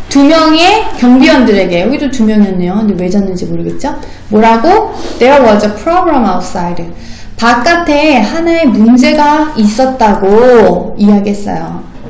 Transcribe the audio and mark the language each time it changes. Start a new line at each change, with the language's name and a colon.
Korean: 두 명의 경비원들에게. 여기도 두 명이었네요. 근데 왜 잤는지 모르겠죠? 뭐라고?
English: There was a problem outside.
Korean: 바깥에 하나의 문제가 있었다고 이야기했어요.